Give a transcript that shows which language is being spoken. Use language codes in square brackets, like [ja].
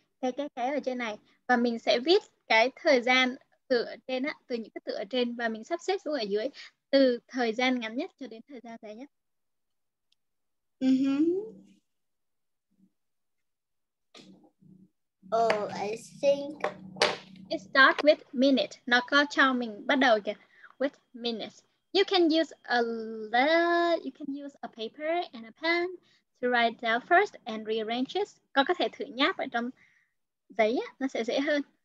[vi] cái ở trên này và mình sẽ viết cái thời gian từ ở trên á, từ những cái từ ở trên và mình sắp xếp xuống ở dưới từ thời gian ngắn nhất cho đến thời gian dài nhất. [en] Oh, I think it starts with minute. [vi] Nó có cho mình bắt đầu kìa. [en] With minute. You can use a letter, you can use a paper and a pen to write down first and rearrange it. [vi] Con có thể thử nháp ở trong giấy á, nó sẽ dễ hơn.